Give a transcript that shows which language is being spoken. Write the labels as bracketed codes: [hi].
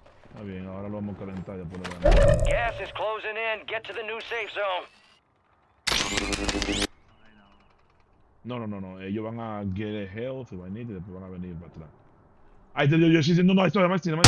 [es] Está bien, ahora lo vamos a calentar ya por la banda. [en] Gas is closing in, get to the new safe zone. [es] No, ellos van a [en] get a health, if I need it, [es] después van a venir para atrás. Ahí te digo, yo sí diciendo, no, esto es más, tiene más.